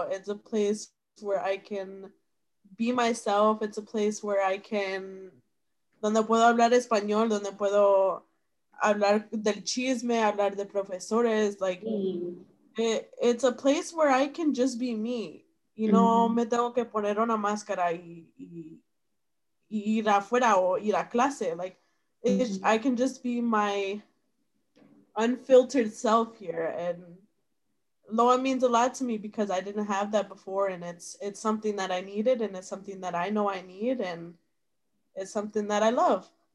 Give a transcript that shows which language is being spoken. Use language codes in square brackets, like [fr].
[en] It's a place where I can be myself. It's a place where I can, [es] donde puedo hablar español, donde puedo hablar del chisme, hablar de profesores, [en] like... It's a place where I can just be me, you know. Mm-hmm. [es] Me tengo que poner una máscara y ir afuera o ir a clase. [en] Like, I can just be my unfiltered self here, and LOA means a lot to me because I didn't have that before, and it's something that I needed, and it's something that I know I need, and it's something that I love.